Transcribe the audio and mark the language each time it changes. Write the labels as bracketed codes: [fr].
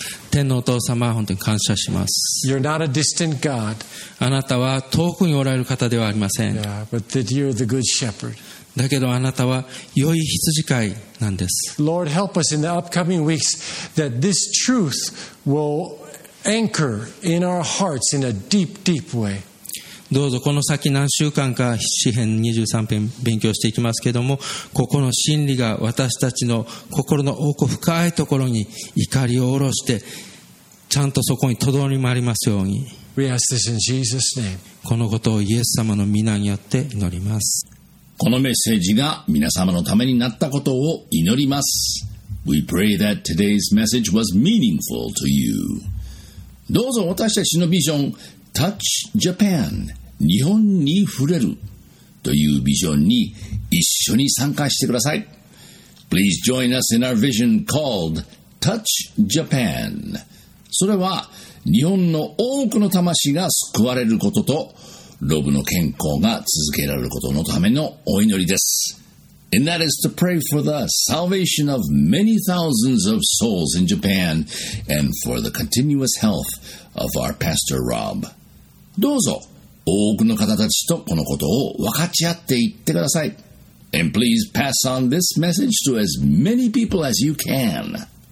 [ja] 天のお父様、本当に感謝します。 [en] You're not a distant God. [ja] あなたは遠くにおられる方ではありません。 [en] Yeah, but that you're the good shepherd. [ja] だけどあなたは良い羊飼いなんです。 [en] Lord, help us in the upcoming weeks that this truth will anchor in our hearts in a deep, deep way. [ja] どうぞこの先何週間か詩編23編勉強していきますけれども、ここの真理が私たちの心の奥深いところに怒りを下ろしてちゃんとそこにとどまりますように。 [en] We ask this in Jesus' name. [ja] このことをイエス様の御名によって祈ります。このメッセージが皆様のためになったことを祈ります。 [en] We pray that today's message was meaningful to you. [ja] どうぞ私たちのビジョンTouch Japan 日本に触れるというビジョンに一緒に参加してください。 [en] Please join us in our vision called Touch Japan. [ja] それは日本の多くの魂が救われることとロブの健康が続けられることのためのお祈りです。 [en] And that is to pray for the salvation of many thousands of souls in Japan and for the continuous health of our Pastor Rob. [ja] どうぞ多くの方たちとこのことを分かち合っていってください。 [en] And please pass on this message to as many people as you can.